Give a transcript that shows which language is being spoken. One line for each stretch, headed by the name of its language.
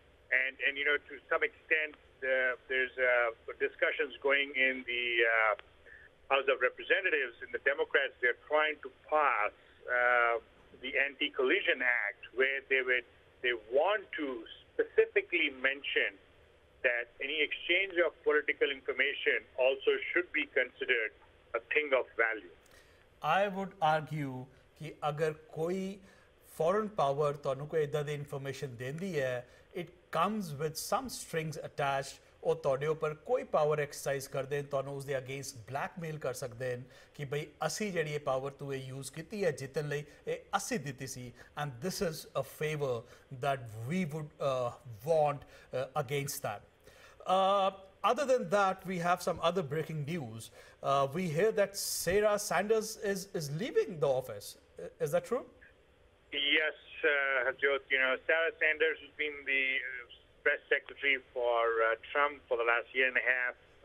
English: And you know, to some extent, there's discussions going in the House of Representatives, and the Democrats, they're trying to pass the Anti-Collision Act, where they want to specifically mention that any exchange of political information also should be considered a thing of value. I would argue
Punjabi: ki agar koi
English: foreign power
Punjabi: tonu ko idda de
English: information
Punjabi: dendi hai,
English: it comes with some strings attached.
Punjabi: ਉਹ ਤੁਹਾਡੇ ਉੱਪਰ ਕੋਈ power exercise ਕਰਦੇ ਨੇ, ਤੁਹਾਨੂੰ ਉਸਦੇ against blackmail ਕਰ ਸਕਦੇ ਨੇ ਕਿ ਬਈ ਅਸੀਂ ਜਿਹੜੀ ਇਹ ਪਾਵਰ ਤੂੰ ਇਹ ਯੂਜ਼ ਕੀਤੀ ਹੈ ਜਿੱਤਣ ਲਈ, ਇਹ ਅਸੀਂ ਦਿੱਤੀ ਸੀ,
English: And this is a favour that we would want against that. Other than that, we have some other breaking news. We hear that Sarah Sanders is leaving the office. Is that true? Yes, Hajot. You know, Sarah Sanders has been the press secretary for Trump for the last year and a half.